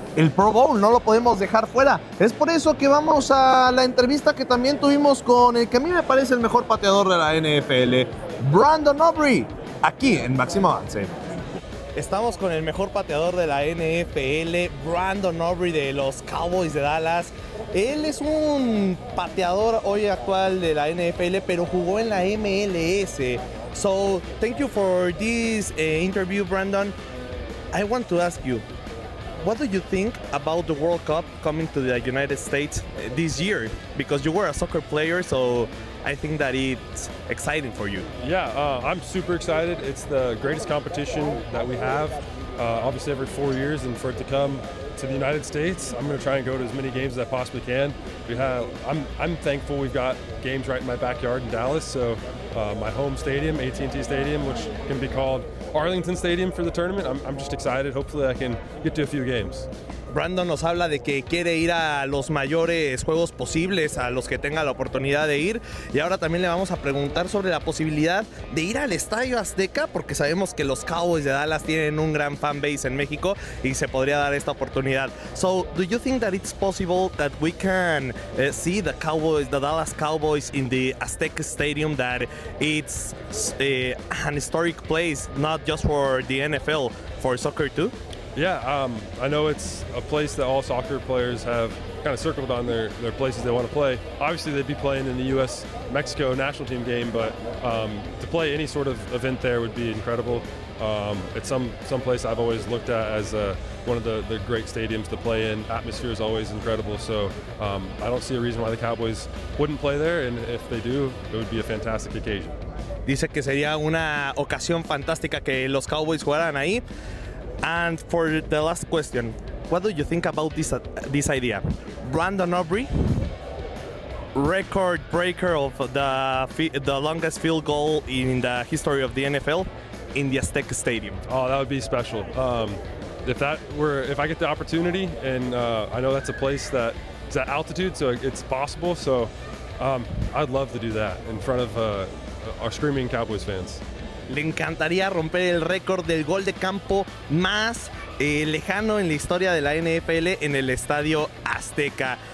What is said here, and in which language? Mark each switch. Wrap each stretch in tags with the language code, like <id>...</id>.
<es>El Pro Bowl no lo podemos dejar fuera. Es por eso que vamos a la entrevista que también tuvimos con el que a mí me parece el mejor pateador de la NFL, Brandon Aubrey, aquí en Máximo Avance. Estamos con el mejor pateador de la NFL, Brandon Aubrey de los Cowboys de Dallas. Él es un pateador hoy actual de la NFL, pero jugó en la MLS.</es> <en>So, thank you for this interview, Brandon. I want to ask you, what do you think about the World Cup coming to the United States this year? Because you were a soccer player, so I think that it's exciting for you. Yeah, I'm super excited. It's the greatest competition that we have, obviously every 4 years, and for it to come to the United States, I'm gonna try and go to as many games as I possibly can. I'm thankful we've got games right in my backyard in Dallas, so my home stadium, AT&T Stadium, which can be called Arlington Stadium for the tournament. I'm just excited. Hopefully I can get to a few games.</en> <es>Brandon nos habla de que quiere ir a los mayores juegos posibles, a los que tenga la oportunidad de ir. Y ahora también le vamos a preguntar sobre la posibilidad de ir al Estadio Azteca, porque sabemos que los Cowboys de Dallas tienen un gran fan base en México y se podría dar esta oportunidad.</es> <en>So, do you think that it's possible that we can see the Cowboys, the Dallas Cowboys in the Azteca Stadium, that it's an historic place, not just for the NFL, for soccer too? Yeah, I know it's a place that all soccer players have kind of circled on their places they want to play. Obviously, they'd be playing in the U.S.-Mexico national team game, but to play any sort of event there would be incredible. It's some place I've always looked at as one of the great stadiums to play in. Atmosphere is always incredible, so I don't see a reason why the Cowboys wouldn't play there, and if they do, it would be a fantastic occasion.</en> <es>Dice que sería una ocasión fantástica que los Cowboys jugaran ahí.</es> <en>And for the last question, what do you think about this idea? Brandon Aubrey, record breaker of the longest field goal in the history of the NFL in the Aztec Stadium. Oh, that would be special. If I get the opportunity, and I know that's a place that's at altitude, so it's possible. So I'd love to do that in front of our screaming Cowboys fans.</en> <es>Le encantaría romper el récord del gol de campo más lejano en la historia de la NFL en el Estadio Azteca.</es>